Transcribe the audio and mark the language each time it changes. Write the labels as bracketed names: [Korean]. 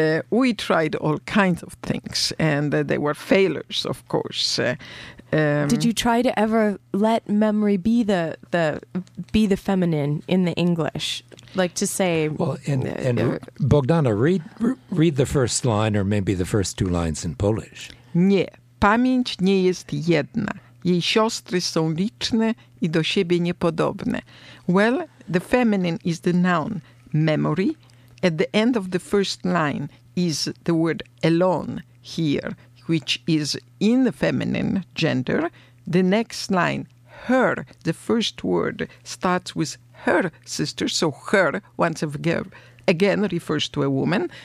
[English] We tried all kinds of things, and they were failures, of course. Did you try to ever let memory be the feminine in the English? Like to say... Well, Bogdana, read the first line, or maybe the first two lines in Polish. [Polish] Nie, pamięć nie jest jedna. Jej siostry są liczne i do siebie niepodobne. [English] Well, the feminine is the noun memory. At the end of the first line is the word alone here, which is in the feminine gender. The next line, her, the first word starts with her sister. So her, once again, refers to a woman.